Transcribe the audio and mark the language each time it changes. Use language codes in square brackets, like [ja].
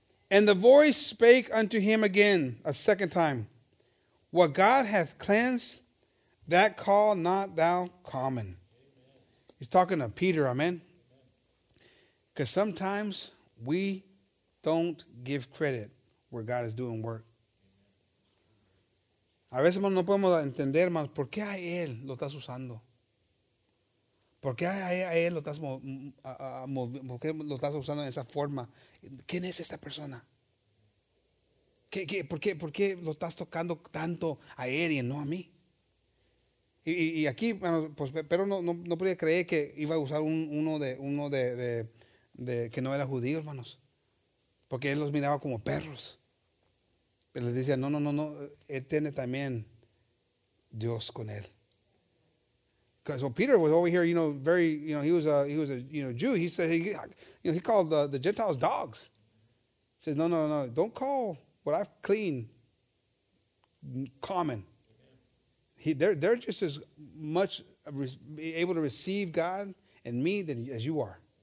[en] And the voice spake unto him again a second time. What God hath cleansed, that call not thou common. Amen. He's talking to Peter, amen. Because sometimes we don't give credit where God is doing work. [es] A veces, hermanos, no podemos entender, hermanos, por qué a Él lo estás usando. Por qué a Él lo estás usando en esa forma. ¿Quién es esta persona? ¿Por qué lo estás tocando tanto a Él y no a mí? Y aquí, bueno, pues, pero no podía creer que iba a usar uno de que no era judío, hermanos. Porque Él los miraba como perros. Pero les decía, no, él tiene también Dios con él. [en] So Peter was over here, you know, very, you know, he was a you know, Jew. He said, he called the Gentiles dogs. He says, no, don't call what I've cleaned common. They're just as much able to receive God and me as you are.